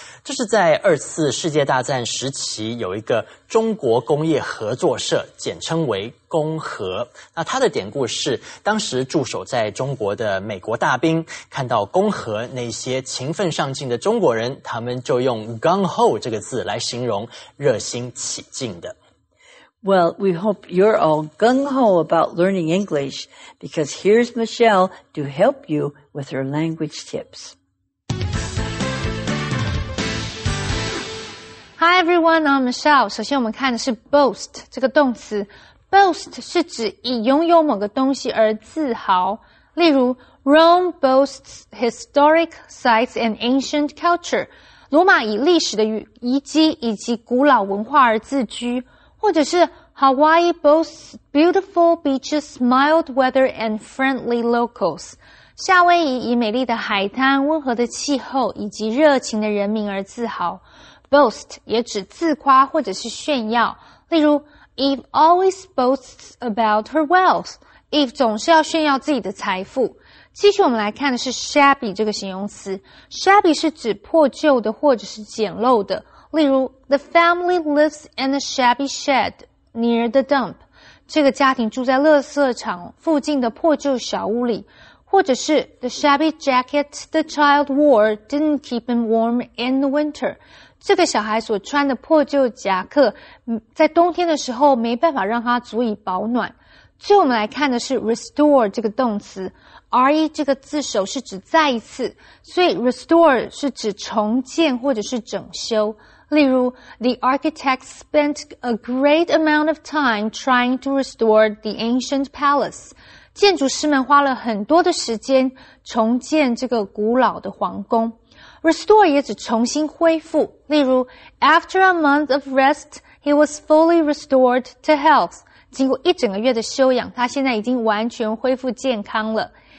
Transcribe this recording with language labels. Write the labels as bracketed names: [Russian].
[Chinese] 这是在二次世界大战时期有一个中国工业合作社，简称为工合。那它的典故是，当时驻守在中国的美国大兵看到工合那些勤奋上进的中国人，他们就用 gung ho 这个字来形容热心起劲的。 [English] Well, we hope you're all gung-ho about learning English, because here's Michelle to help you with her language tips. Hi everyone, I'm Michelle. [Chinese] 首先我们看的是 boast 这个动词。 Boast 是指以拥有某个东西而自豪。例如 [English] Rome boasts historic sites and ancient culture. [Chinese] 罗马以历史的遗迹以及古老文化而自居。或者是 [English] Hawaii boasts beautiful beaches, mild weather, and friendly locals. [Chinese] 夏威夷以美丽的海滩、温和的气候以及热情的人民而自豪。 Boast 也指自夸或者是炫耀。例如 ， [English] Eve always boasts about her wealth. [Chinese] Eve 总是要炫耀自己的财富。继续我们来看的是 shabby 这个形容词。 Shabby 是指破旧的或者是简陋的。例如 [English] ,the family lives in a shabby shed near the dump. [Chinese] 这个家庭住在垃圾场附近的破旧小屋里。或者是 [English] ,the shabby jacket the child wore didn't keep him warm in the winter. [Chinese] 这个小孩所穿的破旧夹克在冬天的时候没办法让他足以保暖。最后我们来看的是 restore 这个动词。RE 这个字首是指再一次，所以 restore 是指重建或者是整修。例如 [English] ,the architect spent a great amount of time trying to restore the ancient palace. [Chinese] 建筑师们花了很多的时间重建这个古老的皇宫。 [English] Restore [Chinese] 也指重新恢复。例如 [English] ,after a month of rest, he was fully restored to health. [Chinese] 经过一整个月的休养，他现在已经完全恢复健康了。